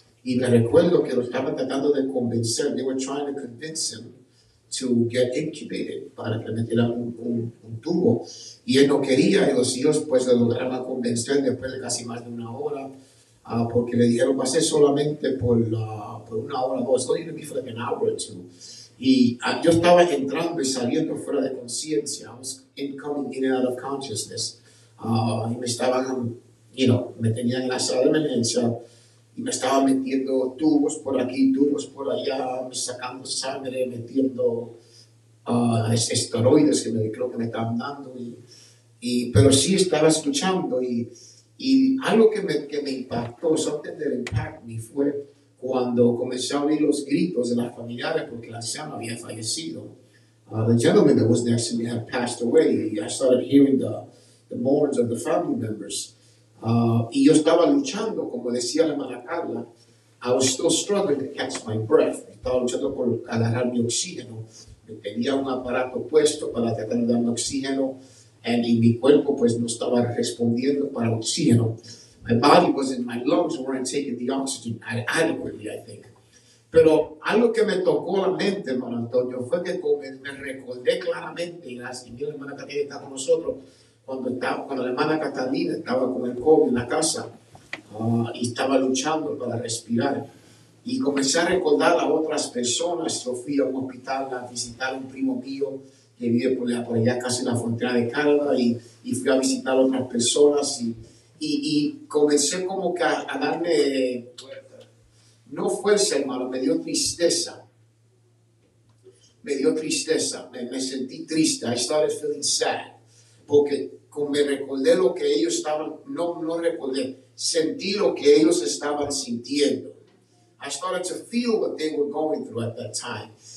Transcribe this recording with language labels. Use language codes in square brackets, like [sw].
[es] Y me recuerdo que lo estaban tratando de convencer. [en] They were trying to convince him to get incubated [es] para que metieran un tubo. Y él no quería. Y los hijos pues lo lograron convencer después de casi más de una hora. Porque le dijeron, va a ser solamente por una hora o dos. [en] It's going to be for like an hour or two. [es] Y yo estaba entrando y saliendo fuera de conciencia. [en] I was incoming in and out of consciousness. [es] Y me estaban, me tenían en la sala de emergencia. Y me estaba metiendo tubos por aquí, tubos por allá, sacando sangre, metiendo esteroides que creo que me están dando. Pero sí estaba escuchando. Y algo que me impactó, [en] something that impacted me, [es] fue cuando comencé a oír los gritos de las familiares porque el anciano había fallecido. [en] The gentleman that was next to me had passed away. I started hearing the mourns of the family members. [es] Y yo estaba luchando, como decía la hermana Carla, [en] I was still struggling to catch my breath. [es] Estaba luchando por agarrar mi oxígeno. Me tenía un aparato puesto para tratar de darme oxígeno y mi cuerpo pues no estaba respondiendo para oxígeno. [en] My body was in my lungs, weren't taking the oxygen adequately, I think. [es] Pero algo que me tocó la mente, hermano Antonio, fue que me recordé claramente, y la hermana Catalina está con nosotros, cuando la hermana Catalina estaba con el COVID en la casa, y estaba luchando para respirar. Y comencé a recordar a otras personas. Yo fui a un hospital a visitar a un primo mío que vive por allá casi en la frontera de Canadá, y fui a visitar a otras personas y comencé como que a darme fuerza. No fuerza, hermano, me dio tristeza. Me dio tristeza, me sentí triste. [en] I started feeling sad. [es] Porque me recordé lo que ellos estaban, no recordé, sentí lo que ellos estaban sintiendo. [en] I started to feel what they were going through at that time.